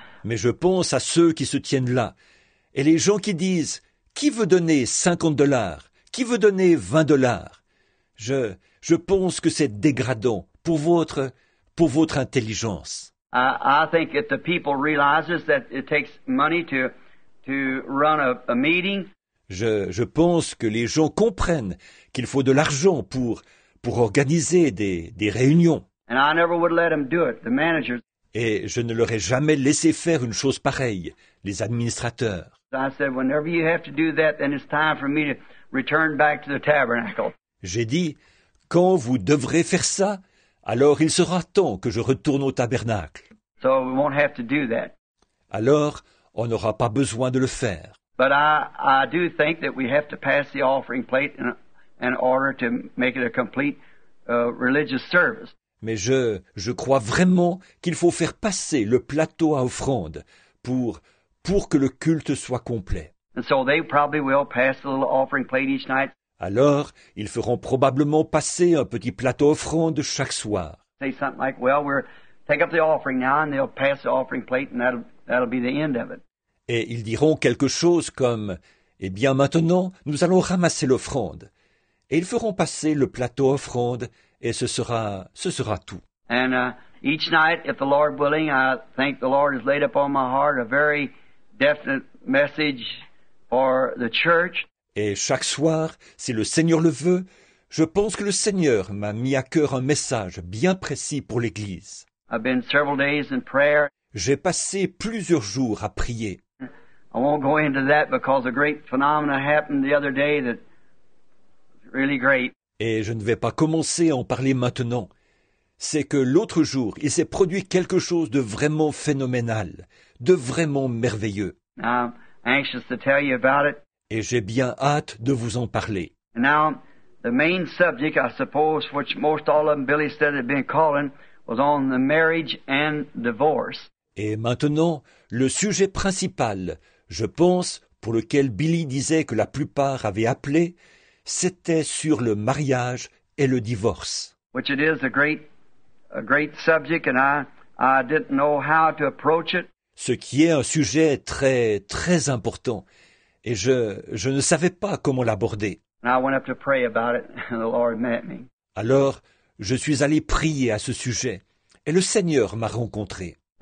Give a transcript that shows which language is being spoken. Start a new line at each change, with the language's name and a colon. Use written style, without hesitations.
French: Mais je pense à ceux qui se tiennent là, et les gens qui disent, qui veut donner $50? Qui veut donner $20? Je pense que c'est dégradant pour votre intelligence.
English: I think if the people realizes that it takes money to run a meeting.
French: Je pense que les gens comprennent qu'il faut de l'argent pour organiser des réunions.
English: And I never would let them do it, the managers.
French: Et je ne leur ai jamais laissé faire une chose pareille, les administrateurs.
English: I said, whenever you have to do that, then it's time for me to return back to the tabernacle.
French: J'ai dit, quand vous devrez faire ça, alors il sera temps que je retourne au tabernacle.
English: So we won't have to do that.
French: Alors, on n'aura pas besoin de le faire.
English: But I do think that we have to pass the offering plate in order to make it a complete religious service.
French: Mais je crois vraiment qu'il faut faire passer le plateau à offrande pour que le culte soit complet.
English: And so they probably will pass a little offering plate each night.
French: Alors, ils feront probablement passer un petit plateau offrande chaque soir.
English: Say something like, well, we'll take up the offering now and they'll pass the offering plate and that'll be the end of it.
French: Et ils diront quelque chose comme, eh bien maintenant, nous allons ramasser l'offrande. Et ils feront passer le plateau offrande et ce sera tout.
English: And each night, if the Lord willing, I think the Lord has laid upon my heart a very definite message for the church.
French: Et chaque soir, si le Seigneur le veut, je pense que le Seigneur m'a mis à cœur un message bien précis pour l'Église.
English: I've been several days in prayer.
French: J'ai passé plusieurs jours à prier.
English: I won't go into that because a great phenomenon happened the other day that was really great.
French: Et je ne vais pas commencer à en parler maintenant. C'est que l'autre jour, il s'est produit quelque chose de vraiment phénoménal, de vraiment merveilleux.
English: I'm anxious to tell you about it.
French: Et j'ai bien hâte de vous en parler.
English: Now, the main subject, I suppose, which most all of them Billy said had been calling, was on the marriage and divorce.
French: Et maintenant, le sujet principal, je pense, pour lequel Billy disait que la plupart avaient appelé, c'était sur le mariage et le divorce.
English: Which it is a great subject, and I didn't know how to approach it.
French: Ce qui est un sujet très, très important. Et je ne savais pas comment l'aborder.
English: I went up to pray about it, and the Lord met me.
French: Alors, je suis allé prier à ce sujet, et le Seigneur m'a rencontré.